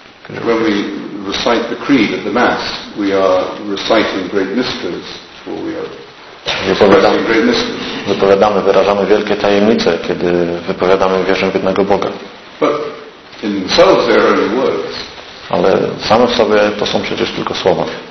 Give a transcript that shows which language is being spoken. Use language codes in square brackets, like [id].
[en] When we recite the creed at the mass, we are reciting great mysteries, for we are expressing great mysteries. [pl] Wypowiadamy, wyrażamy wielkie tajemnice, kiedy wypowiadamy wierzę w jednego Boga. [en] But In themselves they are only words. [pl] Ale same w sobie to są przecież tylko słowa.